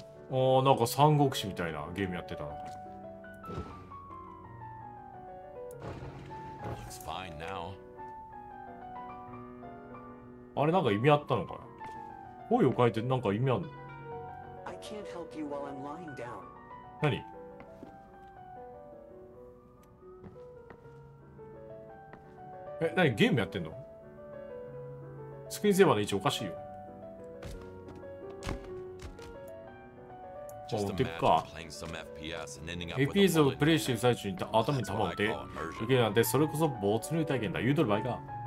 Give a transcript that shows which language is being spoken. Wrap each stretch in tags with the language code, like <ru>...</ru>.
<ja>あー、なんか三国志みたいなゲームやってたな。</ja> <en>It's fine now.</en> <ja>あれ、なんか意味あったのかな。声を変えてなんか意味あんの。</ja> <en>I can't help you while I'm lying down.</en> <ja>何え、何ゲームやってんの。スクリーンセーバーの位置おかしいよ。持っていくか。FPS をプレイしている最中に頭に弾を打て受けるなんて、それこそ没入体験だ。言うとる場合か。</ja>